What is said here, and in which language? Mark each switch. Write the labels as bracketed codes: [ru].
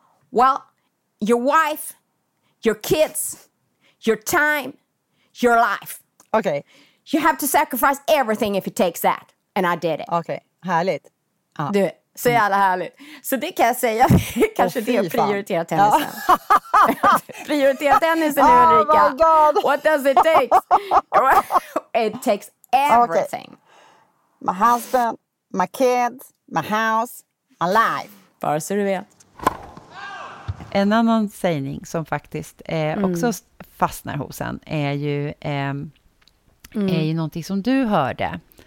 [en] Well, your wife, your kids, your time, your life. Okay. You have to sacrifice everything if it takes that. And I did it. [sv] Okay. Härligt. [en] Do it. [sv] Så jävla härligt. Så det kan jag säga. Kanske det är prioritera tennisen. Ja. Prioritera tennisen nu, Ulrika. [en] Oh my god. What does it take? It takes everything. Okay. My husband, my kids, my house, my life. [sv] Bara så du vet. En annan sägning som faktiskt också fastnar hos en är ju, är ju någonting som du hörde.